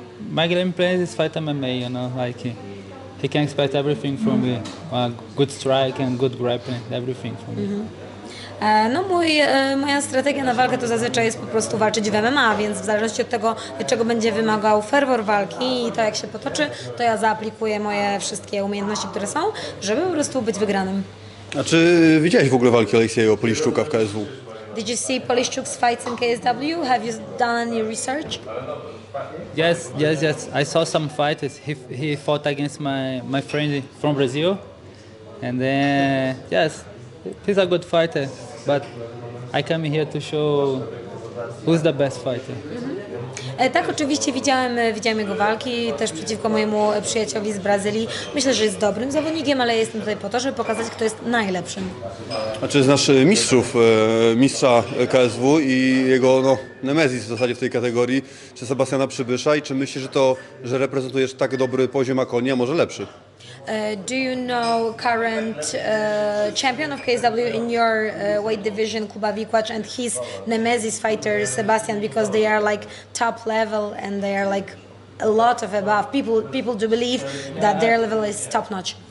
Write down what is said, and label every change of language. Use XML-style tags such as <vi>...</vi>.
<en>My game plan is fight MMA. You know, like he can expect everything from me. Good strike and good grappling, everything from me.</en> <pl>No moja strategia na walkę to zazwyczaj jest po prostu walczyć w MMA, więc w zależności od tego, czego będzie wymagał ferwor walki i to jak się potoczy, to ja zaaplikuję moje wszystkie umiejętności, które są, żeby po prostu być wygranym. A czy widziałeś w ogóle walki Aleksieja Poliszczuka w KSW?</pl> <en>Did you see Poliszczuk's fights in KSW? Have you done any research? Yes. I saw some fights. He fought against my friend from Brazil. And then, yes. He's a good fighter, but I came here to show who's the best fighter.</en> <pl>Tak, oczywiście widziałem jego walki, też przeciwko mojemu przyjacielowi z Brazylii. Myślę, że jest dobrym zawodnikiem, ale jestem tutaj po to, żeby pokazać, kto jest najlepszym. A czy znasz mistrza KSW i jego nemezis w zasadzie w tej kategorii, czy Sebastiana Przybysza, i czy myślisz, że reprezentujesz tak dobry poziom, a konie, a może lepszy?</pl> <en>Do you know current champion of KSW in your weight division, Kuba Vikwacz, and his nemesis fighter Sebastian, because they are like top level and they are like a lot of above. People do believe that their level is top notch.</en>